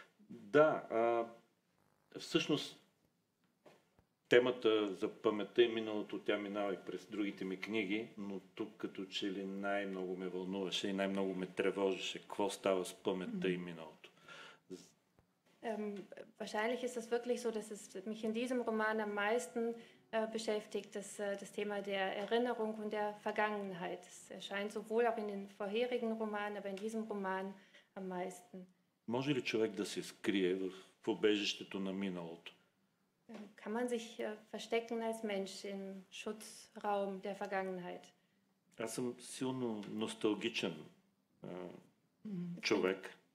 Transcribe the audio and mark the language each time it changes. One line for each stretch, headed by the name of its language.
Bulgarian: Да, всъщност темата за паметта и миналото, тя минава и през другите ми книги, но тук като че ли най-много ме вълнуваше и най-много ме тревожеше, какво става с паметта и миналото.
German: Wahrscheinlich ist es wirklich so, dass es mich in diesem Roman am meisten beschäftigt, das Thema der Erinnerung und der Vergangenheit. Es erscheint sowohl auch in den vorherigen Romanen, aber in diesem Roman am meisten.
Bulgarian: Може ли човек да се скрие в убежището на миналото?
German: Kann man sich verstecken als Mensch im Schutzraum der Vergangenheit?
Bulgarian: Аз съм силно носталгичен човек.